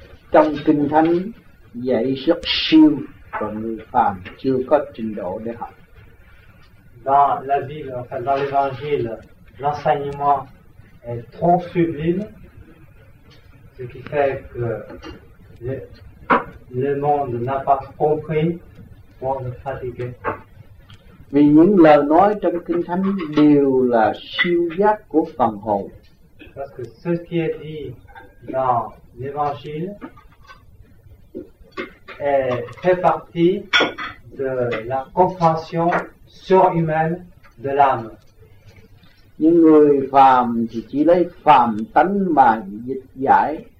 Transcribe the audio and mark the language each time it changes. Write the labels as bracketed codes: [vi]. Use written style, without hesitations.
[vi] Trong kinh thánh dạy rất siêu và người phàm chưa có trình độ để học. [fr] Dans la Bible, enfin dans l'Évangile, l'enseignement est trop sublime, ce qui fait que le monde n'a pas compris pour le pratiquer. [vi] Vì những lời nói trong kinh thánh đều là siêu giác của phần hồn. [fr] Parce que ce qui est dit dans l'Évangile fait partie de la compréhension surhumaine de l'âme. [vi] Những người phàm thì chỉ lấy phàm tánh mà dịch giải.